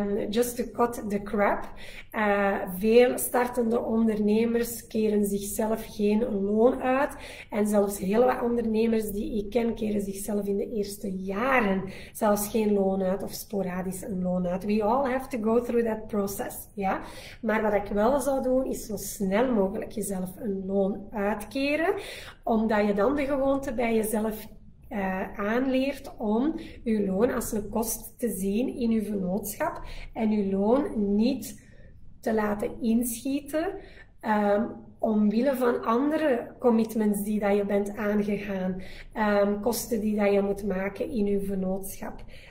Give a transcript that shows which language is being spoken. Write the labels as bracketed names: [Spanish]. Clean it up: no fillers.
[English] Just to cut the crap. [Dutch] Veel startende ondernemers keren zichzelf geen loon uit. En zelfs heel wat ondernemers die ik ken, keren zichzelf in de eerste jaren zelfs geen loon uit of sporadisch een loon uit. [English] We all have to go through that process. [Dutch] Ja? Maar wat ik wel zou doen, is zo snel mogelijk jezelf een loon uitkeren, omdat je dan de gewoonte bij jezelf aanleert om uw loon als een kost te zien in uw vennootschap en uw loon niet te laten inschieten omwille van andere commitments die dat je bent aangegaan, kosten die dat je moet maken in uw vennootschap.